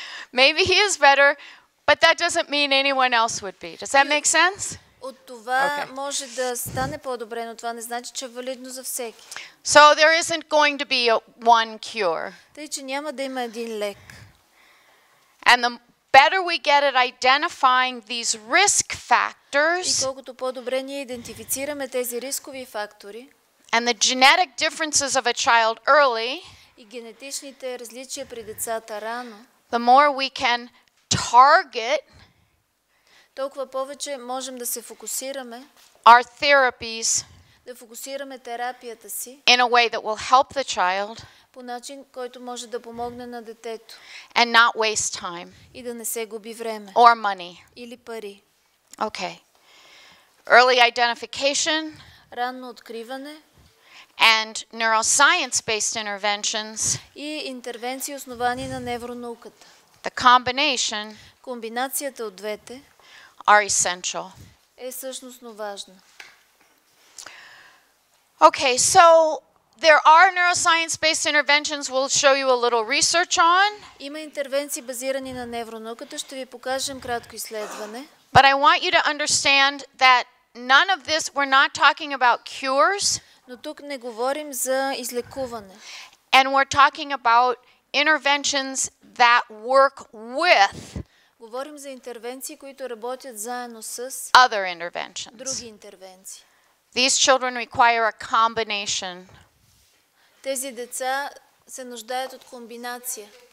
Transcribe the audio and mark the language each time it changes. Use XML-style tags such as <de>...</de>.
<en>Maybe he is better, but that doesn't mean anyone else would be. Does that make sense?</en> <bg>От това може да стане по-добре, но това не значи че е валидно за всеки.</bg> <en>So there isn't going to be one cure.</en> <bg>Тъй че няма да има един лек.</bg> <en>And the better we get at identifying these risk factors.</en> <bg>И колкото по-добре ние идентифицираме тези рискови фактори.</bg> <en>And the genetic differences of a child early.</en> <bg>И генетичните различия при децата рано.</bg> <en>The more we can target.</en> <bg>Толкова повече можем да се фокусираме.</bg> <en>Our therapies.</en> <bg>Да фокусираме терапията си.</bg> <en>In a way that will help the child.</en> <bg>По начин, който може да помогне на детето.</bg> <en>And not waste time.</en> <bg>И да не се губи време.</bg> <en>Or money.</en> <bg>Или пари.</bg> <en>Okay. Early identification.</en> <bg>Ранно откриване.</bg> <en>And neuroscience-based interventions.</en> <bg>И интервенции, основани на невронауката.</bg> <en>The combination.</en> <bg>Комбинацията от двете.</bg> <en>Are essential.</en> <bg>Е същностно важна.</bg> <en>Okay, so there are neuroscience-based interventions we'll show you a little research on.</en> <bg>Има интервенции базирани на невронауката, ще ви покажем кратко изследване.</bg> <en>But I want you to understand that none of this, we're not talking about cures.</en> <bg>Но тук не говорим за излекуване.</bg> <en>And we're talking about interventions that work with.</en> <bg>Говорим за интервенции, които работят заедно с</bg> <en>other interventions.</en> <bg>Други интервенции.</bg> <en>These children require a combination.</en> <bg>Тези деца се нуждаят от комбинация.</bg>